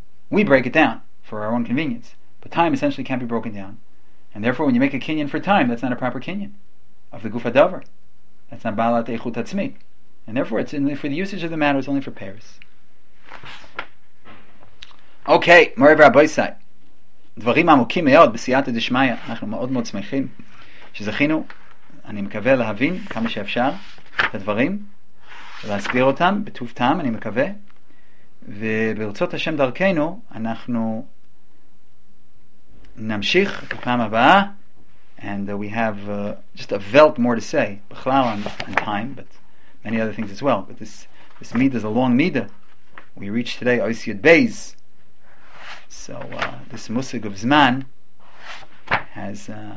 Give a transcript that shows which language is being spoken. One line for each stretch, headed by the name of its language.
English: We break it down for our own convenience, but time essentially can't be broken down. And therefore, when you make a Kenyan for time, that's not a proper Kenyan of the Guf HaDavar. That's not Baalat Eichut HaTzmi. And therefore, it's only for the usage of the matter, it's only for Paris. Okay,
Hebrew: Morei V'Rabbosai. דברים עמוקים מאוד בסייעתא דשמיא. אנחנו מאוד מאוד שמחים שזכינו, אני מקווה להבין כמה שאפשר את הדברים ולהסביר אותם בטוב טעם, אני מקווה, וברצות השם דרכנו אנחנו נמשיך בפעם הבאה.
English: And we have just a belt more to say בכלל on time, but many other things as well, but this midah is a long midah. We reached today Oisiyot Beis. So this musig of zman has